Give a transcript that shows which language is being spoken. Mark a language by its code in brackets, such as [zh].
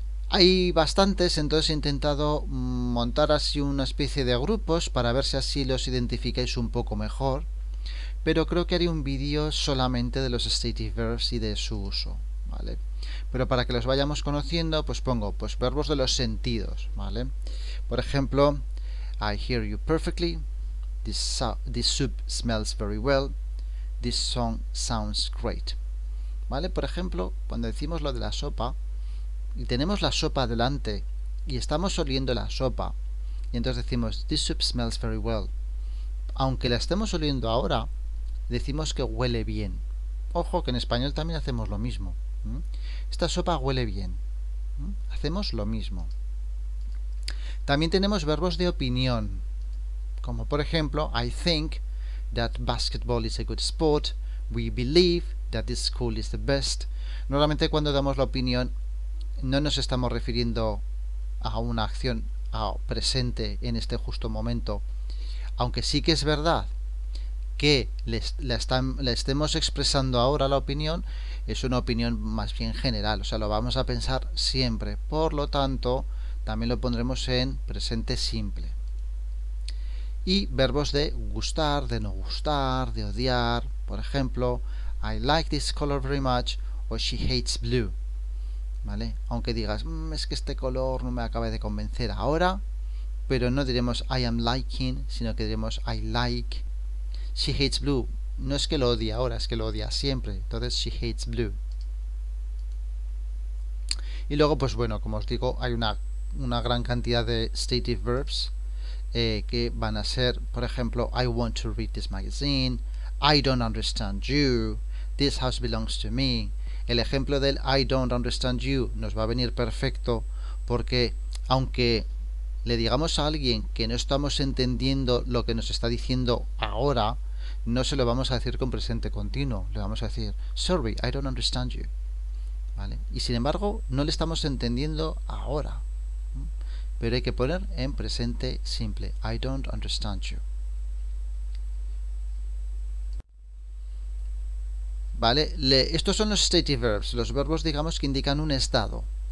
[es] Hay bastantes, entonces he intentado montar así una especie de grupos para ver si así los identificáis un poco mejor, pero creo que haré un vídeo solamente de los stative verbs y de su uso, ¿vale? Pero para que los vayamos conociendo, pues pongo pues verbos de los sentidos, ¿vale? Por ejemplo, [en] I hear you perfectly, this soup smells very well, this song sounds great. [es] ¿Vale? Por ejemplo, cuando decimos lo de la sopa, y tenemos la sopa delante y estamos oliendo la sopa, y entonces decimos, [en] this soup smells very well. [es] Aunque la estemos oliendo ahora, decimos que huele bien. Ojo que en español también hacemos lo mismo. Esta sopa huele bien. Hacemos lo mismo. También tenemos verbos de opinión. Como por ejemplo, [en] I think that basketball is a good sport. We believe that this school is the best. [es] Normalmente cuando damos la opinión, no nos estamos refiriendo a una acción presente en este justo momento. Aunque sí que es verdad que le estemos expresando ahora la opinión, es una opinión más bien general, o sea, lo vamos a pensar siempre. Por lo tanto, también lo pondremos en presente simple. Y verbos de gustar, de no gustar, de odiar. Por ejemplo, [en] I like this color very much o she hates blue. [es] ¿Vale? Aunque digas, es que este color no me acaba de convencer ahora, pero no diremos [en] I am liking, [es] sino que diremos I like. [en] She hates blue. [es] No es que lo odie ahora, es que lo odia siempre. Entonces, [en] she hates blue. [es] Y luego, pues bueno, como os digo, hay una gran cantidad de stative verbs que van a ser, por ejemplo, [en] I want to read this magazine. I don't understand you. This house belongs to me. [es] El ejemplo del [en] I don't understand you [es] nos va a venir perfecto porque, aunque le digamos a alguien que no estamos entendiendo lo que nos está diciendo ahora, no se lo vamos a decir con presente continuo. Le vamos a decir, [en] sorry, I don't understand you. [es] ¿Vale? Y sin embargo, no le estamos entendiendo ahora. Pero hay que poner en presente simple, [en] I don't understand you. [es] ¿Vale? Estos son los stative verbs, los verbos, digamos, que indican un estado.